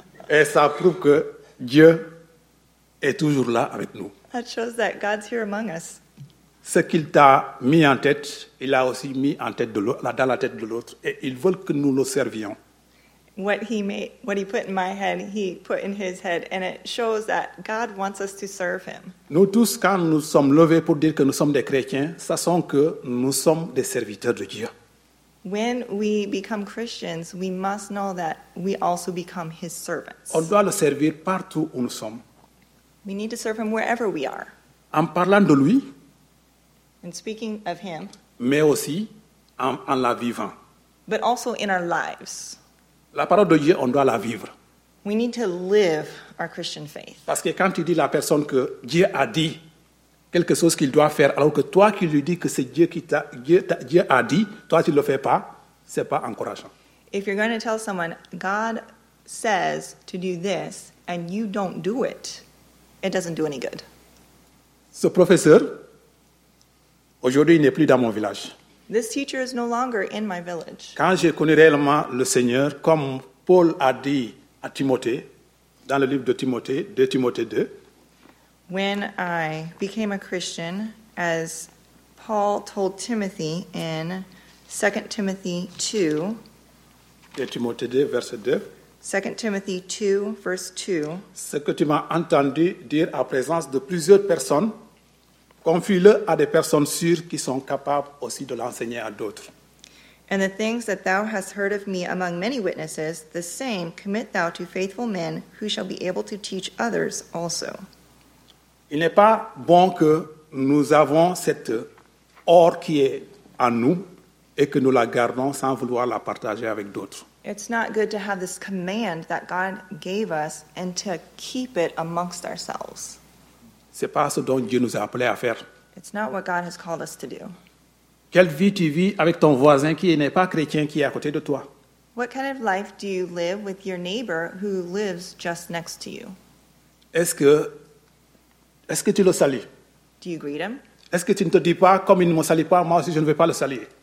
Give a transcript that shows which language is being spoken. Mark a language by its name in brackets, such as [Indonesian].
[French] Et ça prouve que Dieu est toujours là avec nous. [English] That shows that God's here among us. [French] Ce qu'il t'a mis en tête, il a aussi mis en tête de l'autre, dans la tête de l'autre, et il veut que nous le servions. [English] What he put in my head, he put in his head, and it shows that God wants us to serve him. [French] Nous tous, quand nous sommes levés pour dire que nous sommes des chrétiens, sachons que nous sommes des serviteurs de Dieu. [English] When we become Christians, we must know that we also become his servants. [French] On doit le servir partout où nous sommes. [English] We need to serve him wherever we are. [French] En parlant de lui. [English] And speaking of him. [French] Mais aussi en la vivant. [English] But also in our lives. [French] La parole de Dieu, on doit la vivre. [English] We need to live our Christian faith. [French] Parce que quand tu dis la personne que Dieu a dit quelque chose qu'il doit faire, alors que toi qui lui dis que c'est Dieu qui t'a, Dieu a dit, toi tu ne le fais pas, ce n'est pas encourageant. [English] If you're going to tell someone, God says to do this, and you don't do it, it doesn't do any good. [French] Ce professeur, aujourd'hui, il n'est plus dans mon village. [English] This teacher is no longer in my village. [French] Quand j'ai connu réellement le Seigneur, comme Paul a dit à Timothée, dans le livre de Timothée, 2 Timothée 2, [English] when I became a Christian, as Paul told Timothy in 2 Timothy 2, [French] 2 Timothy 2, verset 2, [English] 2 Timothy 2, verse 2, [French] ce que tu m'as entendu dire à présence de plusieurs personnes, confie-le à des personnes sûres qui sont capables aussi de l'enseigner à d'autres. [English] And the things that thou hast heard of me among many witnesses, the same commit thou to faithful men who shall be able to teach others also. [French] Il n'est pas bon que nous avons cette or qui est en nous et que nous la gardons sans vouloir la partager avec d'autres. [English] It's not good to have this command that God gave us and to keep it amongst ourselves. [French] C'est pas ce dont Dieu nous a appelé à faire. [English] It's not what God has called us to do. [French] Quelle vie tu vis avec ton voisin qui n'est pas chrétien qui est à côté de toi? [English] What kind of life do you live with your neighbor who lives just next to you? [French] Est-ce que tu le salues? [English] Do you greet him? [French] Est-ce que tu ne te dis pas, comme il ne me salue pas, moi aussi je ne vais pas le saluer?